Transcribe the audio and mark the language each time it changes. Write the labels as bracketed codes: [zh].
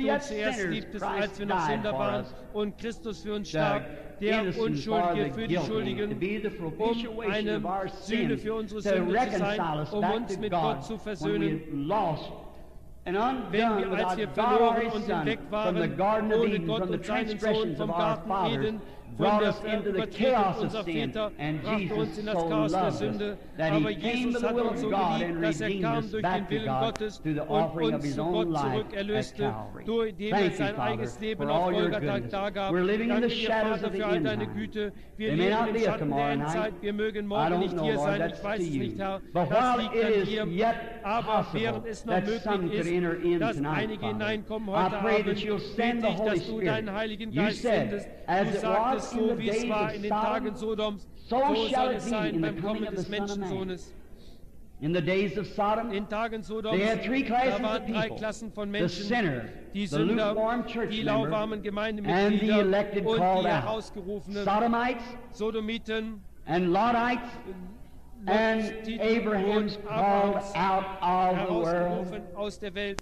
[de] du uns zuerst liebtest, als wir noch Sünder waren. Und Christus für uns starb, der Unschuldige für die Schuldigen, um eine Sühne für unsere Sünde zu sein, um uns mit Gott zu versöhnen. Wenn wir, als wir verloren und entdeckt waren, ohne Gott und seinen Sohn vom Garten Eden, [en] brought us into the chaos of sin, and Jesus so loved us that he came to the will of God and redeemed us back to God through the offering of his own life at Calvary. Thank you, Father, for all your goodness. We're living in the shadows of the end time. They may not be a tomorrow night. I don't know, Lord, that's to you. But while it is yet possible that some could enter in tonight, Father, I pray that you'll send the Holy Spirit. You said, as it was, [de] so wie es war in den Tagen Sodoms, so soll es sein beim Kommen des Menschensohnes. [en] In the days of Sodom, [de] in Tagen Sodoms, [en] they had three classes of people. [de] Drei Klassen von Menschen, [en] the sinner, [de] die Sünder, [en] the lukewarm church member, [de] und die herausgerufenen [en] Sodomites, [de] Sodomiten, [en] and Lotites, and Abraham's called out of the world.